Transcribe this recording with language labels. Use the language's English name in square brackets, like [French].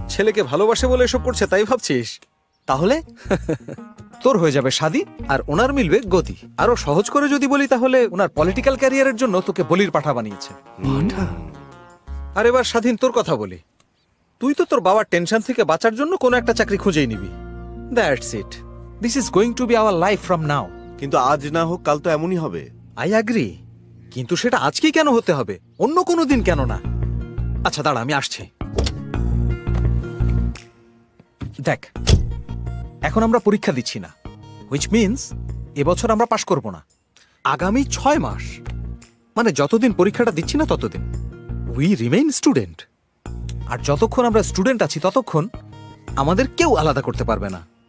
[Bangla] ছেলেকে ভালোবাসে বলে এসব করছে তাই ভাবছিস? তাহলে তোর হয়ে যাবে শাদী আর ওনার মিলবে গতি। আরো সহজ করে যদি বলি তাহলে ওনার পলিটিক্যাল ক্যারিয়ারের জন্য তোকে বলির পাঠা বানিয়েছে। আর এবার স্বাধীন তোর কথা বলি, তুই তো তোর বাবার টেনশন থেকে বাঁচার জন্য কোনো একটা চাকরি খুঁজেই নিবি। [English] That's it, this is going to be our life from now. [Bangla] কিন্তু আজ না হোক কাল তো এমনই হবে। [English] I agree, [Bangla] কিন্তু সেটা আজকেই কেন হতে হবে, অন্য কোনো দিন কেন না? আচ্ছা দাঁড়া আমি আসছি। দেখ এখন আমরা পরীক্ষা দিচ্ছি না, [English] which means [Bangla] এবছর আমরা পাশ করব না, আগামী 6 মাস মানে যতদিন পরীক্ষাটা দিচ্ছি না ততদিন [English] we remain student, [Bangla] আর যতক্ষণ আমরা স্টুডেন্ট আছি ততক্ষণ আমাদের কেউ আলাদা করতে পারবে না।